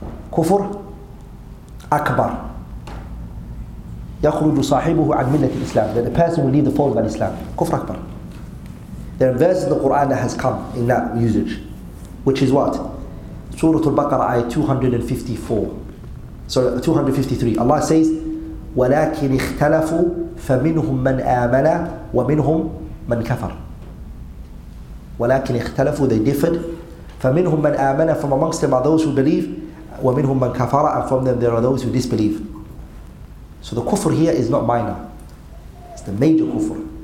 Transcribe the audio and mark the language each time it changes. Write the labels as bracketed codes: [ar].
[ar] Kufr akbar. يَخْرُجُ صَاحِبُهُ عَنْ مِلَّةِ الْإِسْلَامِ. [en] That the person will leave the fold of Islam. Kufr akbar. There are verses in the Quran that has come in that usage, which is what? Surah Al-Baqarah, ayah 254. Sorry, 253. Allah says, [ar] ولكن اختلفوا فمنهم من آمن ومنهم من كفر. ولكن اختلفوا, [en] they differed. [ar] فمنهم من آمن, [en] from amongst them are those who believe. [ar] ومنهم من كفر, [en] and from them there are those who disbelieve. So the kufr here is not minor. It's the major kufr.